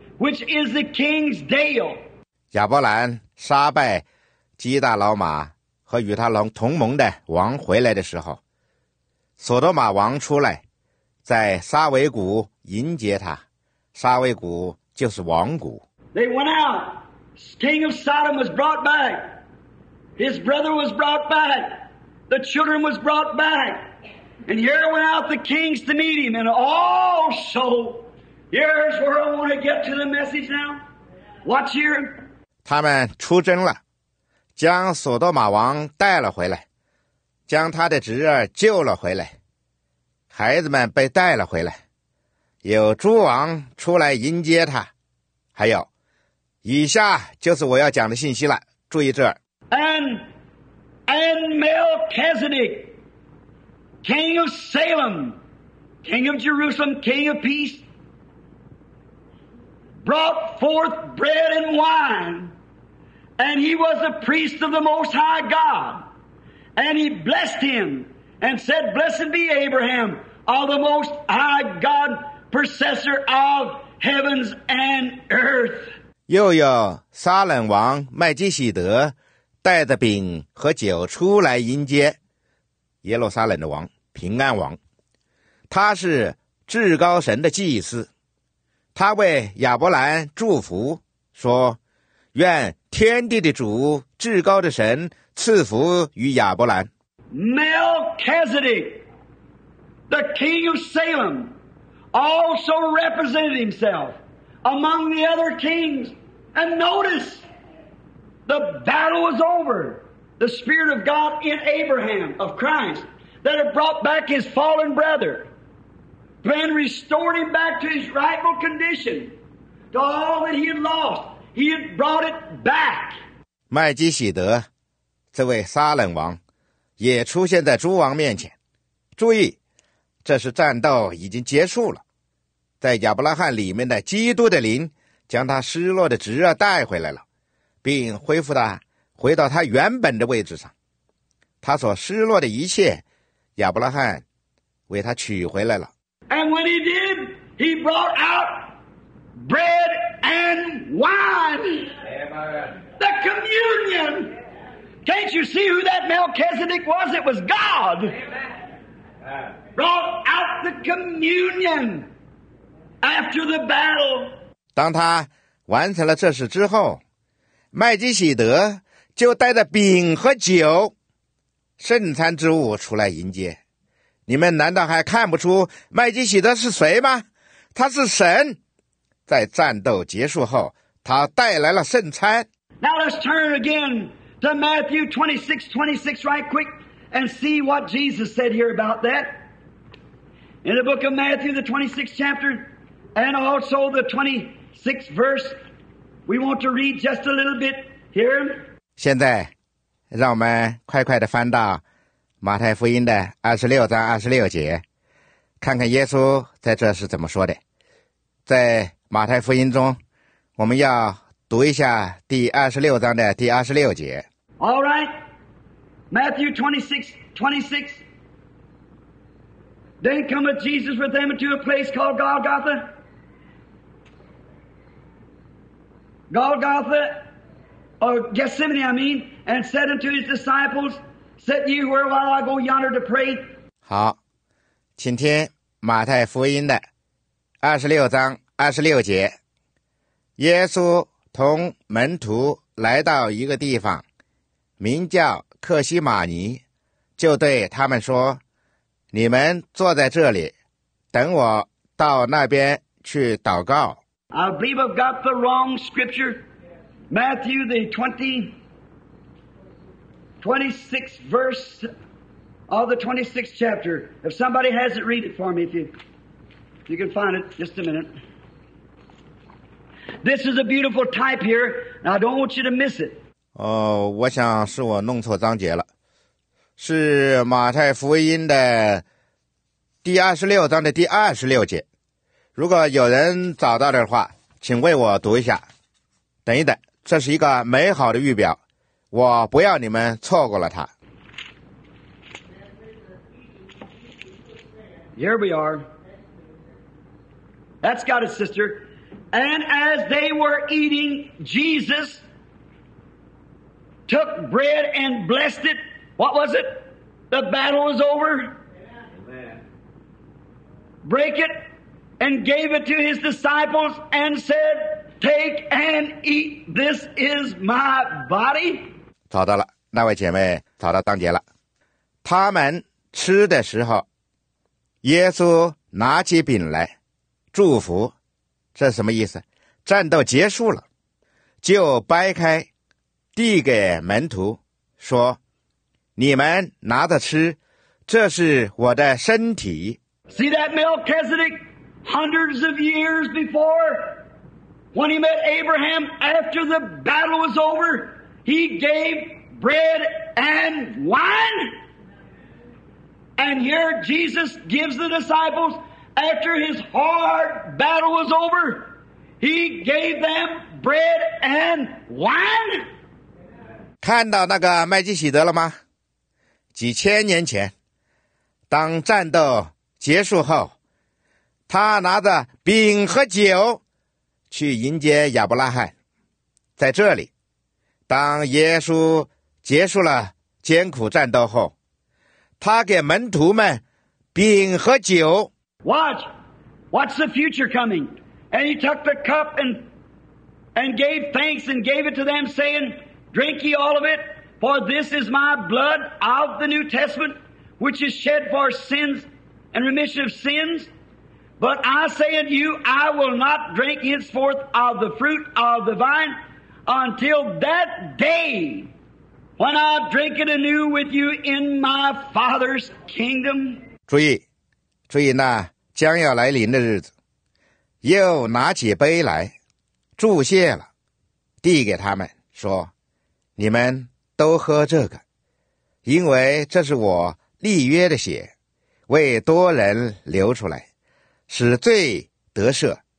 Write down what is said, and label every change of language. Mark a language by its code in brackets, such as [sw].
[en] Which is the king's dale. [zh] 亚伯兰杀败基大老马和与他龙同盟的王回来的时候，索多玛王出来在沙维谷迎接他，沙维谷就是王谷。 [en] They went out. King of Sodom was brought back. His brother was brought back. The children was brought back. And here went out the kings to meet him and all soul. Here's where I want to get to the message now. Watch here. [zh] 他们出征了，将索多玛王带了回来，将他的侄儿救了回来，孩子们被带了回来，有诸王出来迎接他。还有，以下就是我要讲的信息了，注意这儿。 [en] And Melchizedek, King of Salem, King of Jerusalem, King of Peace. Brought forth bread and wine, and he was a priest of the Most High God. And he blessed him and said, Blessed be Abraham, of the Most High God, possessor of heavens and earth. [zh] 又有撒冷王麦基洗德带着饼和酒出来迎接耶路撒冷的王平安王，他是至高神的祭司。他为亚伯兰祝福说，愿天地的主至高的神赐福于亚伯兰。 [en] Melchizedek, the king of Salem, also represented himself among the other kings. And notice, the battle was over. The spirit of God in Abraham of Christ that had brought back his fallen brother. Then restored him back to his rightful condition, to all that he had lost, he had brought it back. [zh] 麦基洗德，这位撒冷王，也出现在诸王面前。注意，这是战斗已经结束了，在亚伯拉罕里面的基督的灵，将他失落的侄儿带回来了，并恢复他回到他原本的位置上。他所失落的一切，亚伯拉罕为他取回来了。 [en] And when he did, he brought out bread and wine. The communion. Can't you see who that Melchizedek was? It was God. Amen. Brought out the communion after the battle. [zh] 当他完成了这事之后，麦基洗德就带着饼和酒圣餐之物出来迎接。你们难道还看不出麦基洗德是谁吗？他是神。在战斗结束后，他带来了圣餐。 [en] Now let's turn again to Matthew 26:26 right quick and see what Jesus said here about that. In the book of Matthew, the 26th chapter, and also the 26th verse, we want to read just a little bit here. [zh] 现在让我们快快地翻到马太福音的26章26节，看看耶稣在这是怎么说的。在马太福音中，我们要读一下26章的26节。 [en] All right, Matthew 26:26. Then cometh Jesus with them into a place called Golgotha. Golgotha, or Gethsemane, I mean, and said unto his disciples, "Sit ye here while I go yonder to pray." [zh] 好，请听马太福音的26章26节，耶稣同门徒来到一个地方，名叫克西马尼，就对他们说：“你们坐在这里，等我到那边去祷告。” [en] I believe I've got the wrong scripture. Matthew the 26th verse of the 26th chapter. If somebody has it, read it for me. If you can find it, just a minute. This is a beautiful type here, and I don't want you to miss it. [zh] 哦，我想是我弄错章节了，是马太福音的26章的26节。如果有人找到的话，请为我读一下。等一等，这是一个美好的预表，我不要你们错过了它。 [en] Here we are. That's got it, sister. And as they were eating, Jesus took bread and blessed it. What was it? The battle is over. Amen. Break it and gave it to his disciples and said, "Take and eat. This is my body." [zh] 找到了，那位姐妹找到当节了。他们吃的时候，耶稣拿起饼来，祝福。这什么意思？战斗结束了，就掰开递给门徒说，你们拿着吃，这是我的身体。 [en] See that Melchizedek hundreds of years before when he met Abraham after the battle was over, he gave bread and wine. And here Jesus gives the disciplesAfter his hard battle was over, he gave them bread and wine. [zh] 看到那个麦基洗德了吗？几千年前，当战斗结束后，他拿着饼和酒去迎接亚伯拉罕。在这里，当耶稣结束了艰苦战斗后，他给门徒们饼和酒。 [en] Watch, what's the future coming? And he took the cup and gave thanks and gave it to them, saying, "Drink ye all of it, for this is my blood of the New Testament, which is shed for sins and remission of sins. But I say unto you, I will not drink henceforth of the fruit of the vine until that day when I drink it anew with you in my Father's kingdom." [zh] 注意，注意那。将要来临的日子，又拿起杯来祝谢了，递给他们说，你们都喝这个，因为这是我立约的血，为多人流出来，使罪得赦。